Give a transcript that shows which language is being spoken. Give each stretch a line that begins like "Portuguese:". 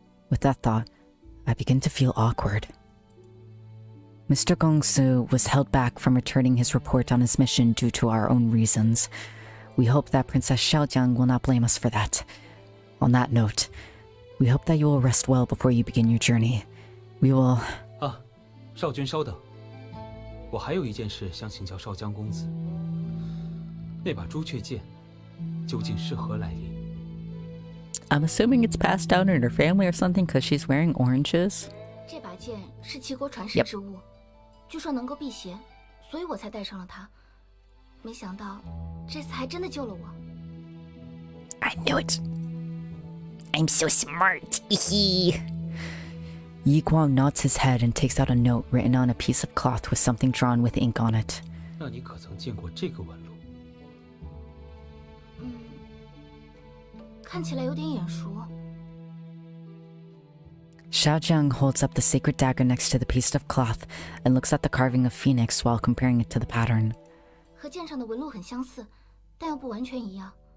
English: With that thought, I begin to feel awkward. Mr. Gongsu was held back from returning his report on his mission due to our own reasons. We hope that Princess Xiaojiang will not blame us for that. On that note, we hope that you will rest well before you begin your journey. We will...
Chinese: 啊，少君稍等。我还有一件事想请教少江公子。那把朱雀剑究竟是何来历？
English: I'm assuming it's passed down in her family or something because she's wearing oranges.
Chinese: 这把剑是齐国传世之物，据说能够辟邪，所以我才带上了它。没想到这次还真的救了我。
English: I knew it. I'm so smart. Yi Guang nods his head and takes out a note written on a piece of cloth with something drawn with ink on it.
Chinese: 那你可曾见过这个纹路？看起来有点眼熟。
English: Xiaojiang holds up the sacred dagger next to the piece of cloth and looks at the carving of phoenix while comparing it to the pattern.
Chinese: 和剑上的纹路很相似，但又不完全一样。